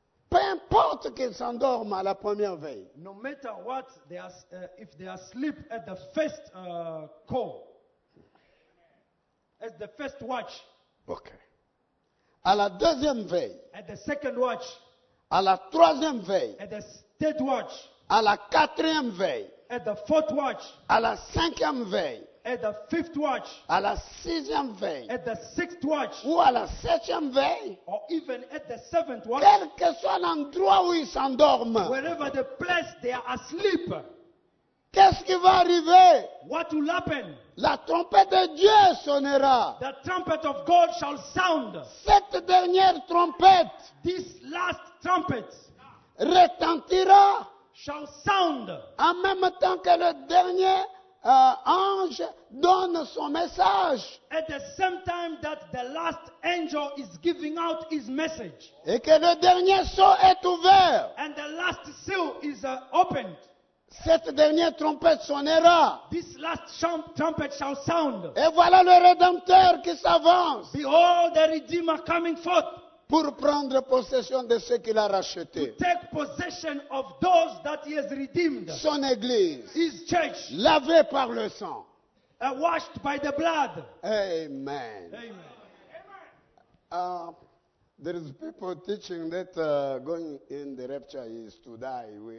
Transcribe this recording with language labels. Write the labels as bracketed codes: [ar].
[fr] Peu importe qu'ils s'endorment à la première veille. [en] No matter what they are, if they are asleep at the first call, at the first watch. [fr] Okay. À la deuxième veille. [en] At the second watch. [fr] À la troisième veille. [en] At the third watch. [fr] À la quatrième veille. [en] At the fourth watch. [fr] À la cinquième veille. [en] At the fifth watch. [fr] À la sixième veille. [en] At the sixth watch. [fr] Ou à la septième veille. [en] Or even at the seventh watch. [fr] Quel que soit l'endroit où ils s'endorment. [en] Wherever the place they are asleep. [fr] Qu'est-ce qui va arriver? [en] What will happen? [fr] La trompette de Dieu sonnera. [en] The trumpet of God shall sound. [fr] Cette dernière trompette. [en] This last trumpet. [fr] Retentira. [en] Shall sound. [fr] En même temps que le dernier ange donne son message. [en] At the same time that the last angel is giving out his message. [fr] Et que le dernier sceau est ouvert. [en] And the last seal is opened. [fr] Cette dernière trompette sonnera. [en] This last trumpet shall sound. [fr] Et voilà le Rédempteur qui s'avance. [en] Behold the Redeemer coming forth. [fr] Pour prendre possession de ceux qu'il a rachetés. [en] To take possession of those that he has redeemed. [fr] Son église. [en] His church. [fr] Lavé par le sang. [en] Washed by the blood. [fr] Amen. [en] Amen. There is people teaching that going in the rapture is to die.